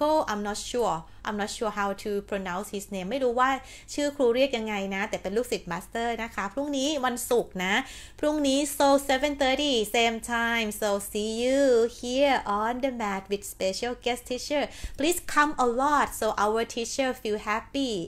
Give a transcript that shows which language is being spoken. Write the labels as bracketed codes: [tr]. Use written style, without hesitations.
[en] I'm not sure how to pronounce his name. [th] ไม่รู้ว่าชื่อครูเรียกยังไงนะแต่เป็นลูกศิษย์มาสเตอร์นะคะพรุ่งนี้วันศุกร์นะพรุ่งนี้ [en] so 7:30 same time. So see you here on the mat with special guest teacher. Please come a lot so our teacher feel happy.